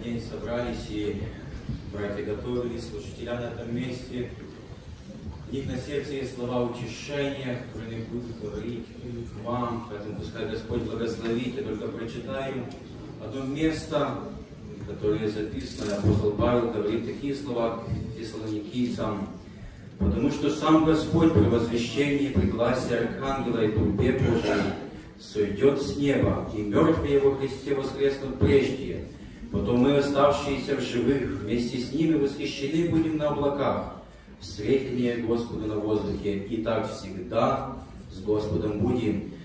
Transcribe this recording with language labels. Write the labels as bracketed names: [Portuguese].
[Russian] Собрались и братья готовились, служители на этом месте. [Ukrainian] їх на серці є слова утішення, про них буде говорити к вам. Тому пускай Господь благословить, я тільки прочитаю одне місце, яке записано, апостол Павел говорить такі слова фессалонікійцям. [Russian] Потому что сам Господь при возвещении при гласе Архангела и трубе Божией сойдет с неба, и мертвые во Христе воскреснут прежде. Потом мы, оставшиеся в живых, вместе с ними восхищены будем на облаках, встретимся Господу на воздухе, и так всегда с Господом будем.